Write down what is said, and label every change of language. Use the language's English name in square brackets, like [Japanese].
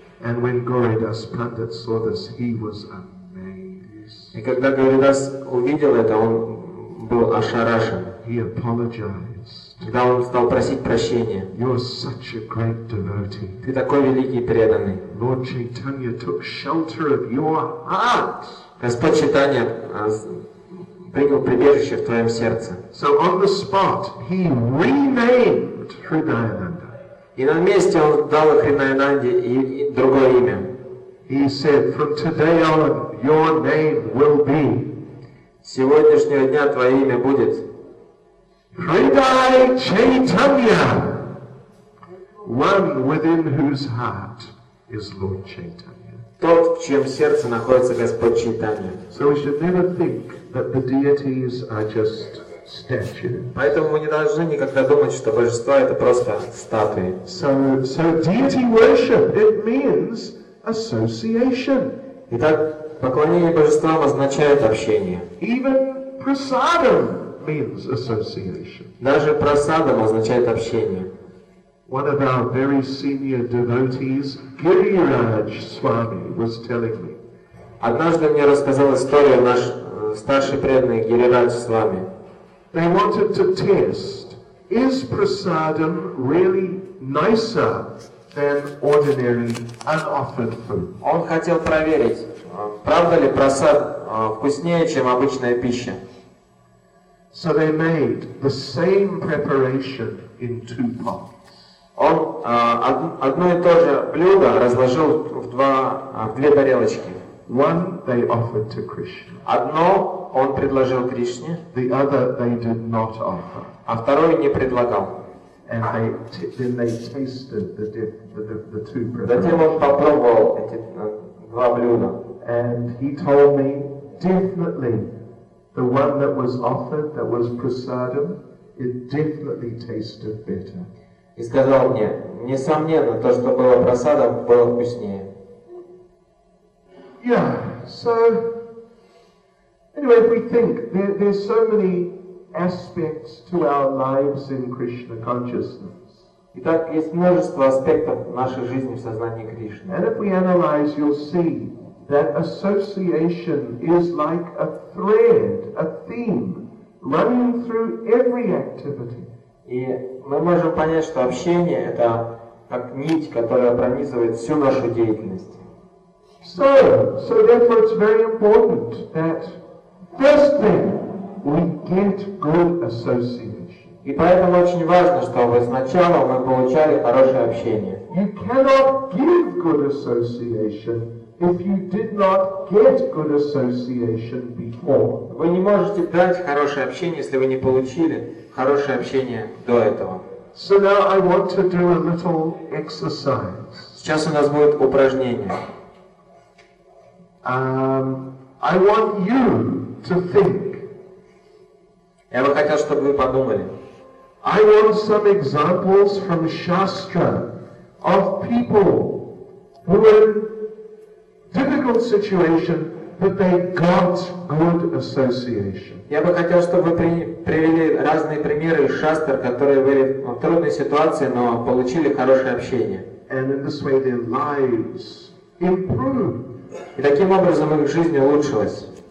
[English] And when Gauridas Pandit saw this, he was amazed. [Russian] И когда Гауридас увидел это, он был ошарашен. [English] He apologized. [Russian] Когда он стал просить прощения. [English] You're such a great devotee. [Russian] Ты такой великий преданный. [English] Lord Chaitanya took shelter of your heart. [Russian] Господь Чайтанья принял прибежище в твоем сердце. [English] So on the spot, he renamed Hridayananda. [Russian] И на месте он дал Хридаянанде и другое имя. [English] He said, from today on, your name will be. [Russian] С сегодняшнего дня твое имя будет. [English] Хридай Чайтанья. One within whose heart is Lord Chaitanya. [Russian] Тот, в чьем сердце находится Господь Чайтанья. [English] So we should never think that the deities are just statues. [Russian] Поэтому мы не должны никогда думать, что божества это просто статуи. [English] So deity worship, it means association. [Russian] Итак, поклонение божествам означает общение. [English] Even prasadam means association. [Russian] Даже прасадам означает общение. [English] One of our very senior devotees, Гирирадж Свами, was telling me. [Russian] Однажды мне рассказал историю наш старший преданный Гирирадж Свами. [English] They wanted to test, is prasadam really nicer than ordinary unoffered food? [Russian] Он хотел проверить, правда ли прасад вкуснее, чем обычная пища. [English] So they made the same preparation in two pots. [Russian] Он одно и то же блюдо разложил в две тарелочки. [English] One they offered to Krishna. [Russian] Одно он предложил Кришне. [English] The other they did not offer. [Russian] А второе не предлагал. [English] And then they tasted the two preparations. [Russian] Затем он попробовал эти два блюда. [English] And he told me definitely the one that was offered, that was prasadam, it definitely tasted better. [Russian] И сказал мне, несомненно, то, что было просадом, было вкуснее. [English] Yeah, so anyway, if we think there's so many aspects to our lives in Krishna consciousness. [Russian] Итак, есть множество аспектов нашей жизни в сознании Кришны. [English] And if we analyze, you'll see that association is like a thread, a theme, running through every activity. [Russian] И мы можем понять, что общение это как нить, которая пронизывает всю нашу деятельность. [English] So therefore it's very important that first thing we get good association. [Russian] И поэтому очень важно, чтобы сначала мы получали хорошее общение. [English] You cannot give good association if you did not get good association before. [Russian] Вы не можете дать хорошее общение, если вы не получили хорошее общение до этого. [English] So now I want to do a little exercise. [Russian] Сейчас у нас будет упражнение. [English] I want you to think. [Russian] Я бы хотел, чтобы вы подумали. [English] I want some examples from Shastra of people who were difficult situation, but they got good association. [Russian] Я бы хотел, чтобы вы привели разные примеры из шастр, которые были в трудной ситуации, но получили хорошее общение. [English] And in this way their lives improved. [Russian] И таким образом их жизнь улучшилась.